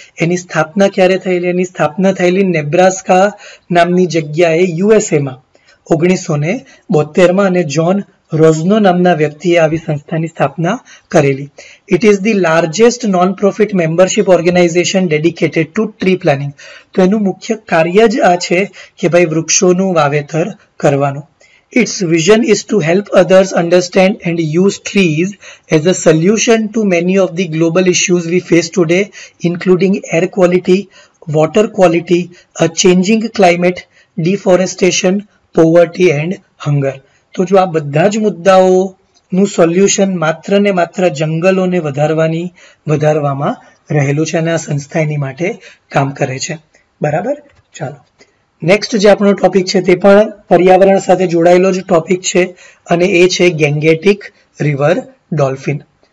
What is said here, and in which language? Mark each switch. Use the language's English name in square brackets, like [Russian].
[Gujarati] એની સ્થાપના ક્યારે થયેલી? એની સ્થાપના થયેલી નેબ્રાસ્કા નામની જગ્યાએ USAમાં 1972માં અને જ્હોન રોઝનો નામના વ્યક્તિએ આવી સંસ્થાની સ્થાપના કરેલી. [English] It is the largest non profit membership organisation dedicated to tree planning. [Gujarati] તો એનું મુખ્ય કાર્ય જ આ છે કે ભાઈ વૃક્ષોનું વાવેતર કરવાનું. [English] Its vision is to help others understand and use trees as a solution to many of the global issues we face today, including air quality, water quality, a changing climate, deforestation, poverty and hunger. [Gujarati] તો જો આ બધા જ મુદ્દાઓનું solution માત્ર ને માત્ર જંગલોને વધારવામાં રહેલું છે અને આ સંસ્થા એની માટે કામ કરે છે, બરાબર. ચાલો નેક્સ્ટ જે આપણો ટોપિક છે તે પણ પર્યાવરણ સાથે જોડાયેલો જ ટોપિક છે અને એ છે ગેંગેટિક રિવર ડોલ્ફિન.